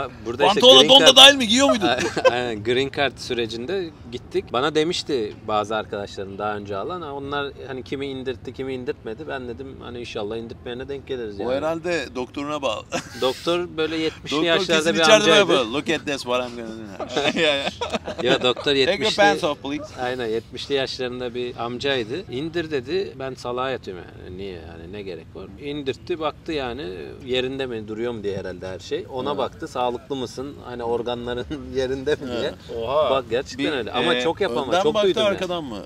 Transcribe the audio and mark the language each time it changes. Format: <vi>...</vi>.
<tr>Burada pantolonu işte don da dahil mi giyiyor muydun? Green card sürecinde gittik. Bana demişti bazı arkadaşlarım daha önce alan. Onlar hani kimi indirtti kimi indirtmedi. Ben dedim hani inşallah indirtmeyene denk geliriz. O yani. Herhalde doktoruna bağlı. Doktor böyle 70'li yaşlarda bir amcaydı. Doktor kesin</tr> <en>look at this what I'm gonna do.</en> <tr>Ya doktor 70'li.</tr> <en>Take your pants off please.</en> <tr>Aynen 70'li yaşlarında bir amcaydı. İndir dedi. Ben salağa yatıyorum yani. Niye yani ne gerek var? İndirtti baktı yani yerinde mi duruyor mu diye herhalde her şey. Ona evet. Baktı sağlıklı mısın? Hani organların yerinde mi diye. Evet. Oha. Bak gerçekten bir, öyle. Ama çok yapamam. Çok duydum. Önden baktı arkadan mı?</tr>